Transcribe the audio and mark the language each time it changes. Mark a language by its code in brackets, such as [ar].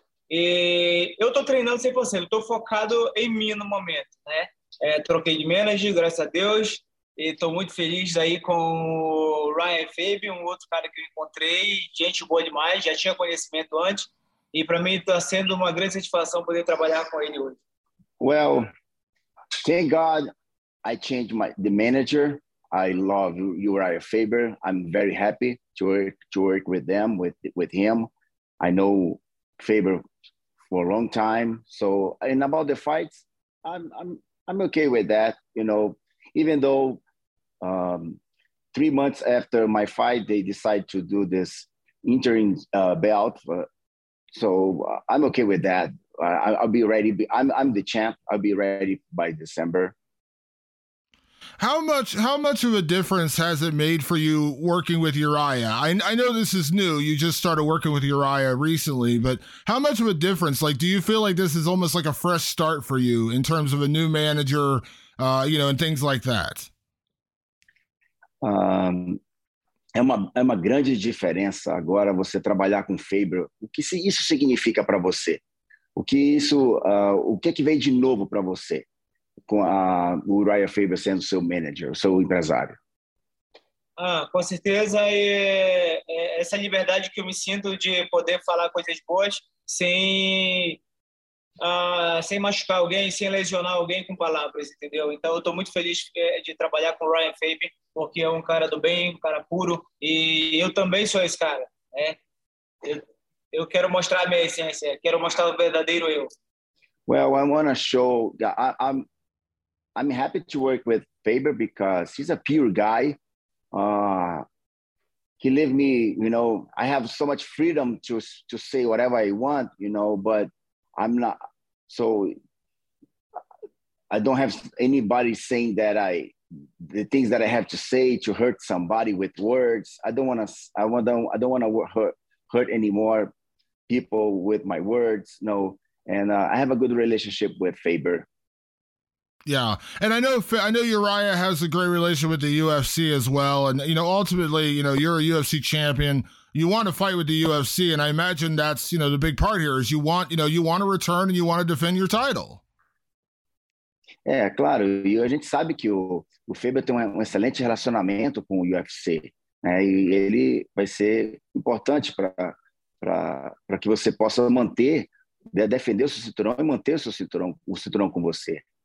[pt] E eu estou treinando 100%, estou focado em mim no momento, né? Troquei de manager, graças a Deus, e estou muito feliz aí com Ryan Fabian, um outro cara que eu encontrei, gente boa demais, já tinha conhecimento antes, e para mim está sendo uma grande satisfação poder trabalhar com ele hoje. [en] Well, thank God I changed the manager. I love Uriah Faber. I'm very happy to work with them, with him. I know Faber for a long time. So, and about the fights, I'm okay with that, you know, even though 3 months after my fight, they decide to do this interim belt. So I'm okay with that. I'll be ready. I'm the champ. I'll be ready by December. How much of a difference has it made for you working with Uriah? I know this is new. You just started working with Uriah recently, but how much of a difference? Like, do you feel like this is almost like a fresh start for you in terms of a new manager, you know, and things like that? [pt] É uma grande diferença agora você trabalhar com Faber. O que isso significa para você? O que vem de novo para você? Com o Uriah Faber sendo seu manager, seu empresário? Ah, com certeza, essa liberdade que eu me sinto de poder falar coisas boas sem machucar alguém, sem lesionar alguém com palavras, entendeu? Então, eu estou muito feliz de trabalhar com o Ryan Faber, porque é um cara do bem, um cara puro, e eu também sou esse cara, né? Eu quero mostrar a minha essência, quero mostrar o verdadeiro eu. [en] Well, I want to show... I'm happy to work with Faber because he's a pure guy. He leave me, you know, I have so much freedom to say whatever I want, you know, but I'm not, so I don't have anybody saying that the things that I have to say to hurt somebody with words. I don't want to hurt any more people with my words. No. And I have a good relationship with Faber. Yeah. And I know Uriah has a great relationship with the UFC as well. And, you know, ultimately, you know, you're a UFC champion. You want to fight with the UFC. And I imagine that's, you know, the big part here is you want to return and you want to defend your title. [pt] É, claro. E a gente sabe que o Faber tem um excelente relacionamento com o UFC. Né? E ele vai ser importante para que você possa manter, defender o seu cinturão e manter o cinturão com você.